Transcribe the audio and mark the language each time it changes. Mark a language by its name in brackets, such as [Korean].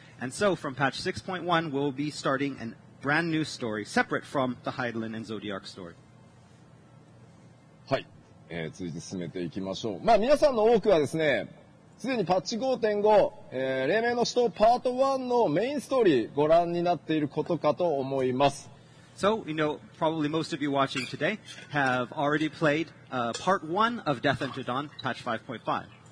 [English] And so, from patch 6.1, we'll be starting a brand new story separate from the Heidelin and Zodiac story. [Japanese] はい、続いて進めていきましょう。まあ皆さんの多くはですね、すでにパッチ5.5、黎明の使徒パート1のメインストーリーご覧になっていることかと思います。 [English] So, you know, probably most of you watching today have already played part 1 of Death Enter Dawn, patch 5.5.